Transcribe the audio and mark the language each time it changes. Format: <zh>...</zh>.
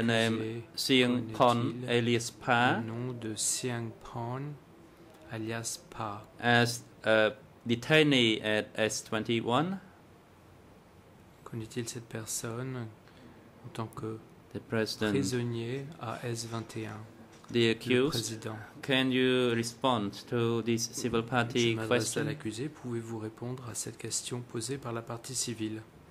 <en>the name Seang Phan alias Pa?</en> <fr>Le nom de Seang Phan alias Pa.</fr> <en>As a detainee at S21.</en> <fr>Connaît-il cette personne en tant que prisonnier à S21?</fr> <en>The accused, can you respond to this civil party question?</en> <fr>Je m'adresse à l'accusé. Pouvez-vous répondre à cette question posée par la partie civile?</fr>